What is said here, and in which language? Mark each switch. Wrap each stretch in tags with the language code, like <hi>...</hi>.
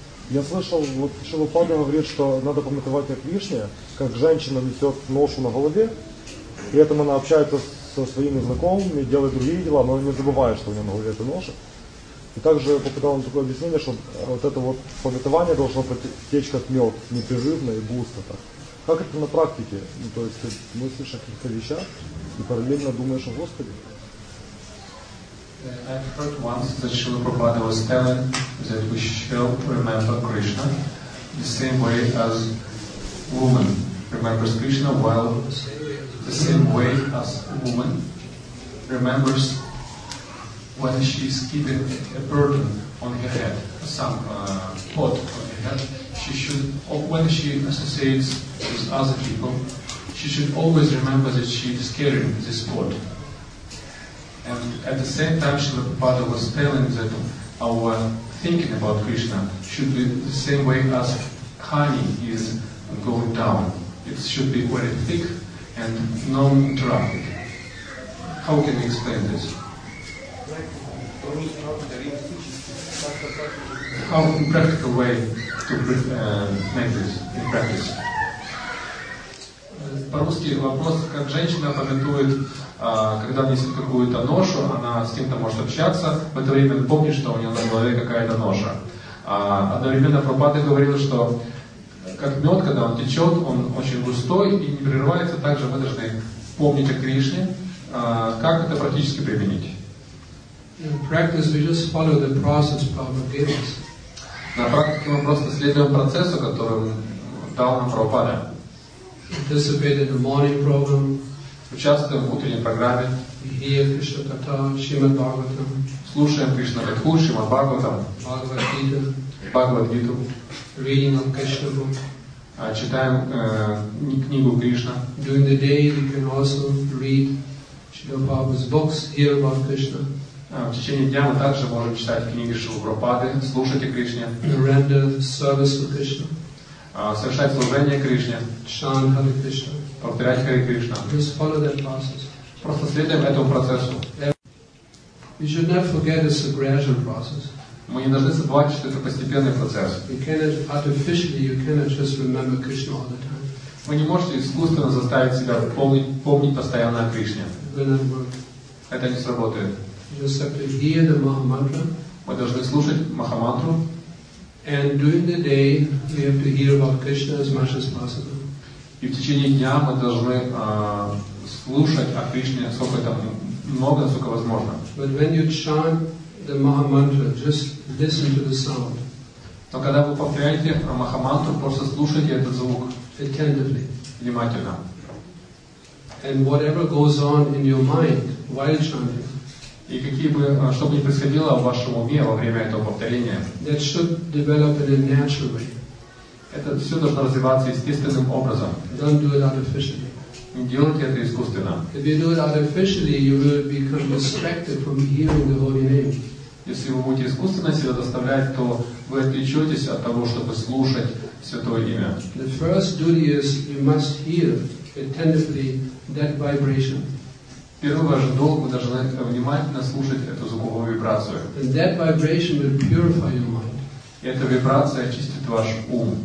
<ru>Я слышал, вот Шилопада говорит, что надо помытывать Кришне, как женщина несет ношу на голове, при этом она общается со своими знакомыми, делает другие дела, но не забывает, что у нее на голове эта ноша. И также попытал на такое объяснение, что вот это вот помытывание должно течь как мед, непрерывно и густо так. Как это на практике? Ну, то есть ты мыслишь о каких-то вещах и параллельно думаешь о Господе?</ru> <en>I've heard once that Srila Prabhupada was telling that we should remember Krishna the same way as woman remembers Krishna, while the same way as woman remembers when she is keeping a burden on her head, some pot on her head, she should, when she associates with other people, she should always remember that she is carrying this pot. And at the same time, Srila Prabhupada was telling that our thinking about Krishna should be the same way as honey is going down. It should be very thick and non-interrupted. How can you explain this? How in practical way to make this in practice?</en> <ru>По-русски вопрос, как женщина помнит, когда несет какую-то ношу, она с кем-то может общаться, в это время помнит, что у нее на голове какая-то ноша. Одновременно Прабхупада говорил, что как мед, когда он течет, он очень густой и не прерывается, также мы должны помнить о Кришне. Как это практически применить? На практике мы просто следуем процессу, который дал нам Прабхупада.</ru> <en>Participate in the morning program.</en> <ru>Участвуем в утренней программе.</ru> <en>Hear Krishna Katha, Shrimad Bhagavatam.</en> <ru>Слушаем Кришна Катху, Шримад Бхагаватам.</ru> <en>Bhagavad Gita.</en> <ru>Bhagavad Gita.</ru> <en>Reading of Krishna book.</en> <ru>Читаем книгу Кришна.</ru> <en>During the day you can also read Shrimad Bhagavatam's books, hear about Krishna.</en> <ru>В течение дня мы также можем читать книги Шрила Прабхупады, слушать о Кришне.</ru> <en>Render service to Krishna.</en> <ru>Совершать служение Кришне.</ru> <en>Chant Hare Krishna.</en> <ru>Повторять Hare Krishna.</ru> <en>Just follow that process.</en> <ru>Просто следуем этому процессу.</ru> <en>You should not forget it's a gradual process.</en> <ru>Мы не должны забывать, что это постепенный процесс.</ru> <en>You cannot artificially, you cannot just remember Krishna all the time.</en> <ru>Вы не можете искусственно заставить себя помнить постоянно о Кришне. Это не сработает.</ru> <en>Just have to hear the Mahamantra.</en> <ru>Мы должны слушать Махамантру.</ru> <en>And during the day, we have to hear about Krishna as much as possible.</en> <ru>И в течение дня мы должны слушать о Кришне сколько там много, сколько возможно.</ru> <en>But when you chant the Maha Mantra, just listen to the sound.</en> <ru>Но когда вы повторяете Маха Мантру, просто слушайте этот звук.</ru> <en>Attentively.</en> <ru>Внимательно.</ru> <en>And whatever goes on in your mind while chanting.</en> <ru>И какие бы, что бы ни происходило в вашем уме во время этого повторения,</ru> <en>that should develop in a natural way.</en> <ru>Это все должно развиваться естественным образом.</ru> <en>Don't do it artificially.</en> <ru>Не делайте это искусственно.</ru> <en>If you do it artificially, you will become distracted from hearing the holy name.</en> <ru>Если вы будете искусственно себя заставлять, то вы отвлечетесь от того, чтобы слушать Святое Имя.</ru> <en>The first duty is you must hear attentively that vibration.</en> <ru>Первый ваш долг, вы должны внимательно слушать эту звуковую вибрацию.</ru> <en>And that vibration will purify your mind.</en> <ru>И эта вибрация очистит ваш ум.</ru>